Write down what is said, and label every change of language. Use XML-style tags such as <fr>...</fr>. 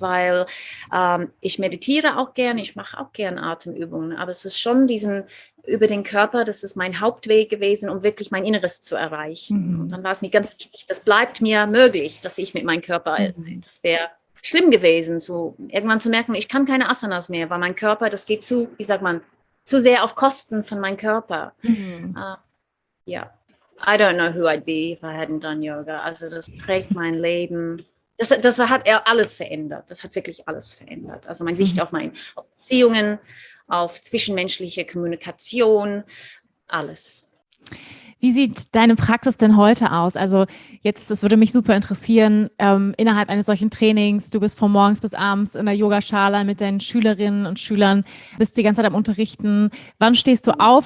<de>Weil ich meditiere auch gerne, ich mache auch gerne Atemübungen, aber es ist schon diesen über den Körper, das ist mein Hauptweg gewesen, um wirklich mein Inneres zu erreichen. Mhm. Und dann war es mir ganz wichtig, das bleibt mir möglich, dass ich mit meinem Körper, das wäre schlimm gewesen, irgendwann zu merken, ich kann keine Asanas mehr, weil mein Körper, das geht zu sehr auf Kosten von meinem Körper.</de> <en>I don't know who I'd be if I hadn't done yoga.</en> <de>Also das prägt mein Leben. Das hat alles verändert. Das hat wirklich alles verändert. Also meine Sicht auf meine Beziehungen, auf zwischenmenschliche Kommunikation, alles. Wie sieht deine Praxis denn heute aus? Also jetzt, das würde mich super interessieren, innerhalb eines solchen Trainings, du bist von morgens bis abends in der Yogaschala mit deinen Schülerinnen und Schülern, bist die ganze Zeit am Unterrichten. Wann stehst du auf?</de>